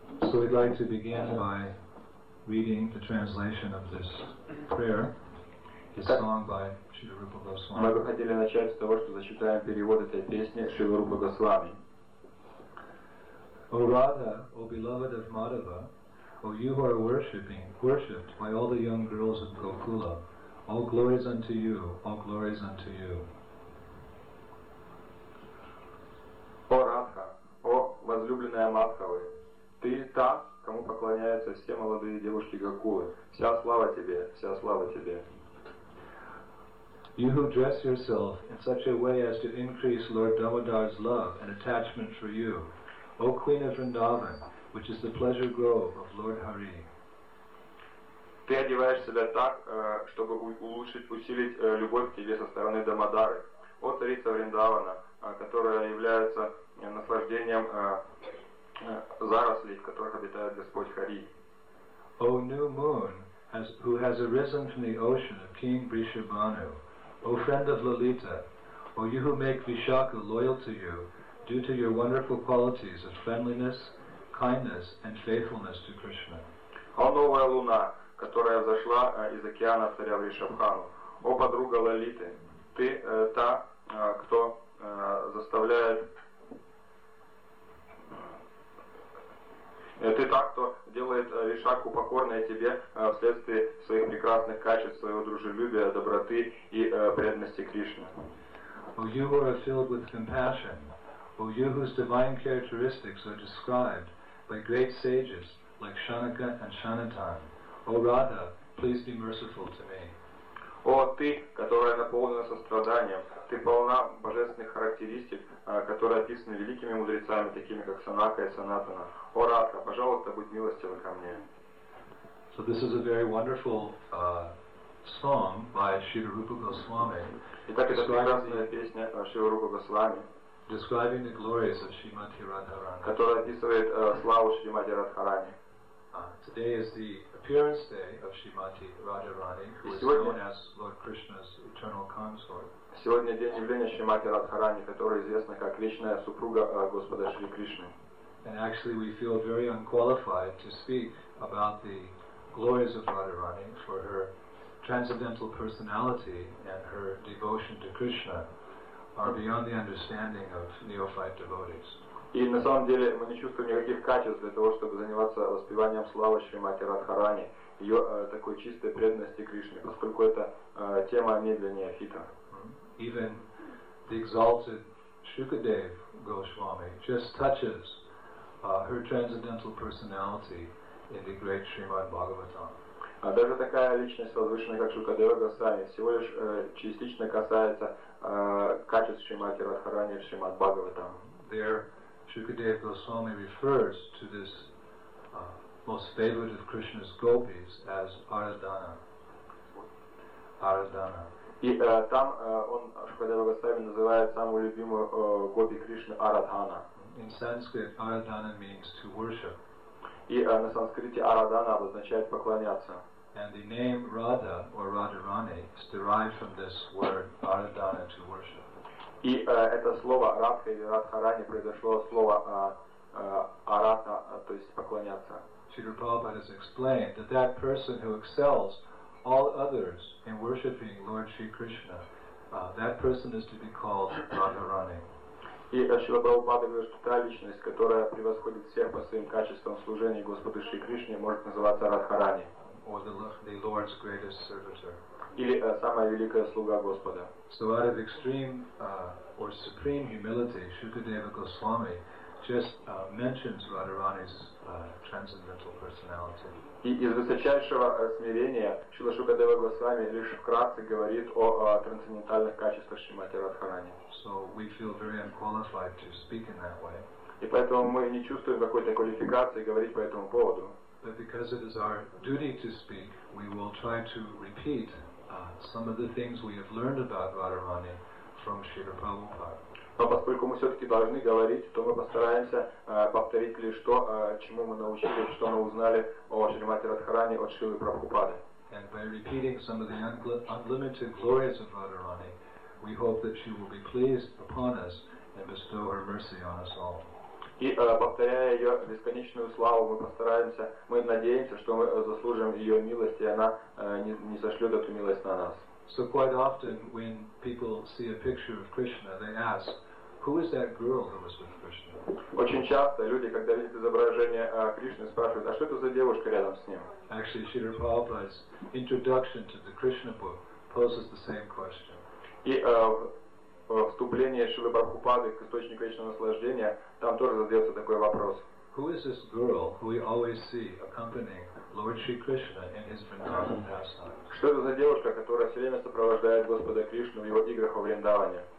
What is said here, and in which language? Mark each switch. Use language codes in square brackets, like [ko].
[en] So we'd like to begin by reading the translation of this prayer. [ru] Мы бы хотели начать с того, что зачитаем перевод этой песни Шрилы Рупы Госвами. [en] O Radha, O beloved of Madhava, O you who are worshipping, worshipped by all the young girls of Gokula, all glories unto you, all glories unto you. [ru] О Радха, о возлюбленная Мадхавы, ты та, кому поклоняются все молодые девушки Гокулы. Вся слава тебе, вся слава тебе. [en] You who dress yourself in such a way as to increase Lord Damodar's love and attachment for you, O Queen of Vrindavan, which is the pleasure grove of Lord Hari. [ru] Ты одеваешь себя так, чтобы улучшить, усилить любовь к тебе со стороны Дамодары, о царица Вриндавана, которая является наслаждением зарослей, в которых обитает Господь Хари. [en] O new moon, who has arisen from the ocean of King Vrishabhanu, O friend of Lalita, O you who make Vishaka loyal to you, due to your wonderful qualities of friendliness, kindness, and faithfulness to Krishna. [ru] О новая луна, которая взошла из океана царя Вришабхану. О подруга Лалиты, ты та, кто заставляет... Ты та, кто делает Вишакху покорной тебе вследствие своих прекрасных качеств, своего дружелюбия, доброты и преданности Кришне. [en] О, you who are filled with compassion, O you whose divine characteristics are described by great sages like Shanaka and Shanatan, O Radha, please be merciful to me. [ru] О, ты, которая наполнена состраданием, ты полна божественных характеристик, которые описаны великими мудрецами, такими как Шанака и Санатана. О, Радха, пожалуйста, будь милостива ко мне. [en] So this is a very wonderful song by Śrīla Rūpa Gosvāmī. [ru] Итак, это прекрасная песня Śrīla Rūpa Gosvāmī. [en] Describing the glories of Śrīmatī Rādhārāṇī. [ru] Которая описывает славу Śrīmatī Rādhārāṇī. [en] Today is the appearance day of Śrīmatī Rādhārāṇī, who is known as Lord Krishna's eternal consort. [ru] Сегодня день явления Śrīmatī Rādhārāṇī, которая известна как вечная супруга Господа Шри Кришны. [en] And actually we feel very unqualified to speak about the glories of Rādhārāṇī for her transcendental personality and her devotion to Krishna. Are beyond the understanding of neophyte devotees. [ru] И на самом деле мы не чувствуем никаких качеств для того, чтобы заниматься воспеванием славы Шримати Радхарани, ее такой чистой преданности Кришне, поскольку это тема не для неофита. [en] Even the exalted Shukadev Goswami just touches her transcendental personality in the great Srimad Bhagavatam. [ru] А даже такая личность возвышенная, как Шукадева Госвами, всего лишь частично касается качеств Шримати Радхарани и Шримад Бхагаватам. [en] There, Шукадева Госвами refers to this most favored of Krishna's gopis as Aradhana. Aradhana. [ru] И там он, Шукадева Госвами, называет самую любимую гопи Кришны Aradhana. [en] In Sanskrit, Aradhana means to worship. [ru] И на санскрите Aradhana обозначает поклоняться. [en] And the name Radha or Radharani is derived from this word Aradhana, to worship. [ru] И это слово Радха или Радхарани произошло от слова Аратна, то есть поклоняться. [en] Śrīla Prabhupāda has explained that that person who excels all others in worshipping Lord Shri Krishna, that person is to be called Radharani. [ru] И Śrīla Prabhupāda говорит, что та личность, которая превосходит всех по своим качествам служения Господу Шри Кришне, может называться Радхарани. [en] Or the Lord's greatest servitor. [ru] Или самая великая слуга Господа. [en] So out of extreme or supreme humility, Shukadeva Goswami just mentions Radharani's transcendental personality. [ru] И из высочайшего смирения Шрила Шукадева Госвами лишь вкратце говорит о трансцендентальных качествах Шримати Радхарани. [en] So we feel very unqualified to speak in that way. [ru] И поэтому мы не чувствуем какой-то квалификации говорить по этому поводу. [en] But because it is our duty to speak, we will try to repeat some of the things we have learned about Radharani from Śrīla Prabhupāda. [ru] Но поскольку мы все-таки должны говорить, то мы постараемся повторить лишь то, чему мы научились, что мы узнали о Шримати Радхарани от Шрилы Прабхупады. [en] And by repeating some of the unlimited glories of Radharani, we hope that she will be pleased upon us and bestow her mercy on us all. [ru] И повторяя ее бесконечную славу, мы надеемся, что мы заслужим ее милость, и она не сошлет эту милость на нас. [en] So quite often when people see a picture of Krishna, they ask, who is that girl who was with Krishna? [ru] Очень часто люди, когда видят изображение Кришны, спрашивают, а что это за девушка рядом с ним? [en] Actually, Srila Prabhupada's introduction to the Krishna book poses the same question. [ru] И вступление Шрилы Прабхупады к источнику вечного наслаждения, там тоже задается такой вопрос. [en] Who is this girl who we always see accompanying Lord Sri Krishna in his Vrindavan pastimes? [ru] Что это за девушка, которая все время сопровождает Господа Кришну в его играх во Вриндаване?